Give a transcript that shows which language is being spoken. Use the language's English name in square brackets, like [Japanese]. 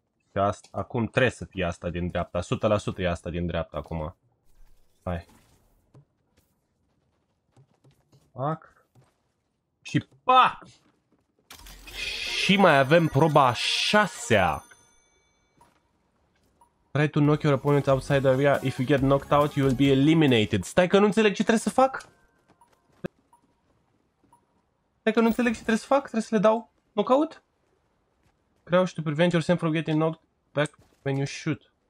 [Romanian] Și asta, acum trebuie să fie asta din dreapta, 100% e asta din dreapta acum. Hai. Pac. Și pac! Și mai avem proba a șasea. [English] Try to knock your opponent outside the area. If you get knocked out, you will be eliminated. [Romanian] Stai că nu înțeleg ce trebuie să fac. Stai că nu înțeleg ce trebuie să fac. Trebuie să le dau knockout? [English] Crouch to prevent yourself from getting knocked back when you shoot.